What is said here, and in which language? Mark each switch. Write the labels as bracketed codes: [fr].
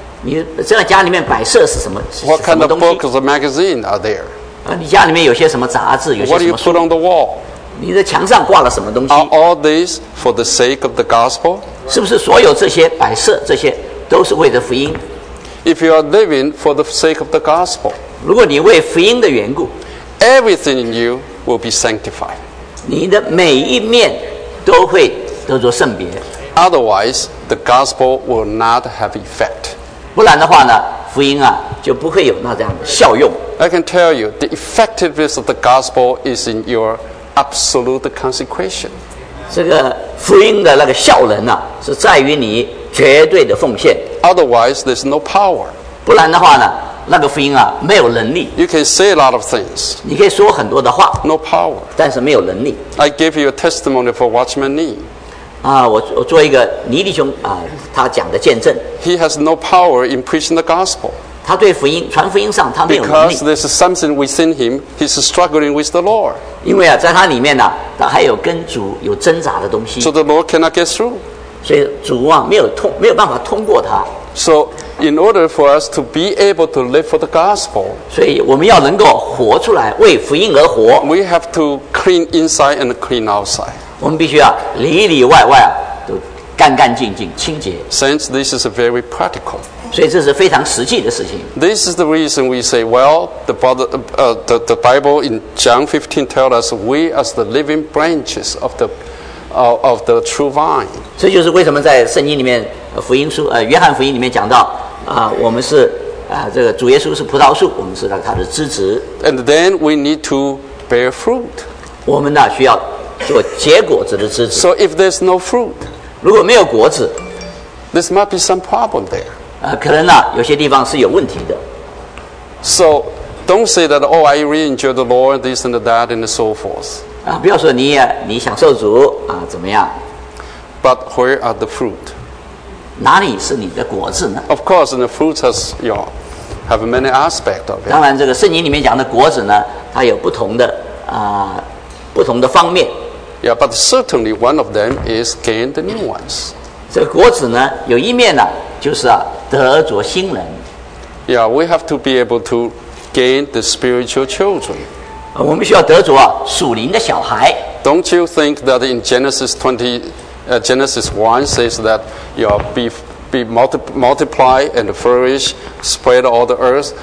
[zh] 你这个家里面摆设是什么 [en] ？What kind of books or magazine are there? [zh] 你家里面有些什么杂志？有些什么书 [en] ？What do you put on the wall? [zh] 你的墙上挂了什么东西 [en] ？Are all these for the sake of the gospel? [zh] 是不是所有这些摆设，这些都是为了福音 [en] ？If you are living for the sake of the gospel, [zh] 如果你为福音的缘故 [en] ，everything in you will be sanctified. [zh] 你的每一面都会得着圣别。 [en] Otherwise, the gospel will not have effect. [zh] 不然的话呢，福音啊就不会有那样的效用。 [en] I can tell you, the effectiveness of the gospel is in your absolute consecration. [zh] 这个福音的那个效能啊，是在于你绝对的奉献。 [en] Otherwise, there's no power. [zh] 不然的话呢，那个福音啊，没有能力。 [en] You can say a lot of things. [zh] 你可以说很多的话。 [en] No power. [zh] 但是没有能力。 [en] I give you a testimony for Watchman Nee. [zh] 我做一个尼弟兄啊，他讲的见证。 [en] He has no power in preaching the gospel. [zh] 他对福音传福音上他没有能力。 [en] Because there's something within him, he's struggling with the Lord. [zh] 因为啊，在他里面呢、啊，他还有跟主有挣扎的东西。 [en] So the Lord cannot get through. [zh] 所以主啊，没有办法通过他。 [en] So in order for us to be able to live for the gospel, [zh] 所以我们要能够活出来，为福音而活。 [en] We have to clean inside and clean outside. [zh] 我们必须要里里外外啊，都干干净净、清洁。 [en] Since this is very practical. [zh] 所以这是非常实际的事情。 [en] This is the reason we say, well, the Bible in John 15 tells us we as the living branches of the true vine. [zh] 这就是为什么在圣经里面，福音书，约翰福音里面讲到，我们是，这个主耶稣是葡萄树，我们是他的枝子。 [en] And then we need to bear fruit. [zh] 我们呢需要做结果子的枝子。 [en] So if there's no fruit, [zh] 如果没有果子 [en] this might be some problem there. [zh] 可能呢、啊，有些地方是有问题的。 [en] So, don't say that. Oh, I really enjoy the Lord, this and that, and so forth. [zh] 不要说你享受主啊，怎么样 [en] ？But where are the fruit? [zh] 哪里是你的果子呢 [en] ？Of course, the fruit has have many aspects of it. [zh] 当然，这个圣经里面讲的果子呢，它有不同的不同的方面。 [en] Yeah, but certainly one of them is gain the new ones. [zh] 这个果子呢，有一面呢、啊。就是啊，得着新人。 [en] Yeah, we have to be able to gain the spiritual children. [zh] 我们需要得着啊，属灵的小孩。 [en] Don't you think that in Genesis 1 says that you are be multiply and flourish, spread all the earth?